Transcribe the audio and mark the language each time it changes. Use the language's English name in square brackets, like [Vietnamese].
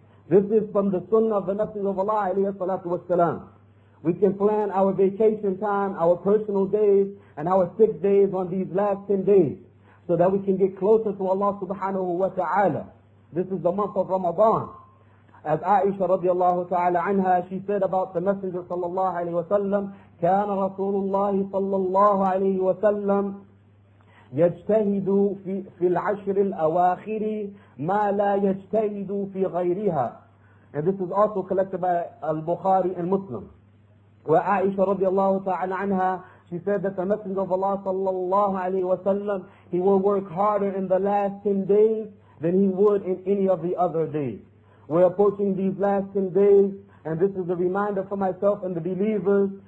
[English] This is from the sunnah of the Messenger of Allah alayhi salatu wa salam. We can plan our vacation time, our personal days and our sick days on these last 10 days so that we can get closer to Allah subhanahu wa ta'ala. This is the month of Ramadan. As Aisha radiallahu ta'ala anha, she said about the Messenger sallallahu alayhi wa sallam, [Arabic] كَانَ رَسُولُ اللَّهِ صَلَّى اللَّهُ عَلَيْهِ وَسَلَّمْ يَجْتَهِدُ فِي الْعَشْرِ الْأَوَاخِرِ مَا لَا يَجْتَهِدُ فِي غَيْرِهَا. [English] And this is also collected by Al-Bukhari and Muslim. [Arabic] وَعَائِشَ رَضِيَ [English] ta'ala anha, she said that the Messenger of Allah sallallahu alayhi wa sallam, he will work harder in the last 10 days than he would in any of the other days. We're approaching these last 10 days, and this is a reminder for myself and the believers